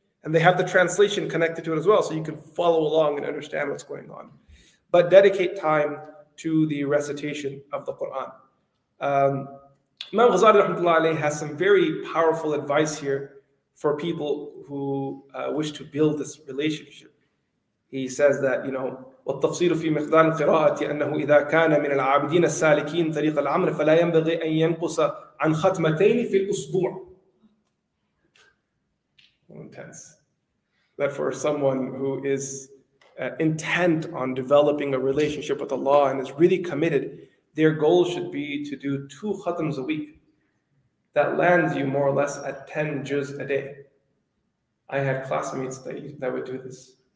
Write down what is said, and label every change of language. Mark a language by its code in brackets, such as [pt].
[en] And they have the translation connected to it as well, so you can follow along and understand what's going on. But dedicate time to the recitation of the Quran. Imam Ghazali rahmatullah alayhi has some very powerful advice here for people who wish to build this relationship. He says that, you know, [ar] والتفصيل في مقدار القراءة أنه إذا كان من العابدين السالكين طريق العمر فلا ينبغي أن ينقص عن ختمتين في الأسبوع. [en] Intense. That for someone who is intent on developing a relationship with Allah and is really committed, their goal should be to do 2 khatams a week. That lands you more or less at 10 juz a day. I had classmates that would do this.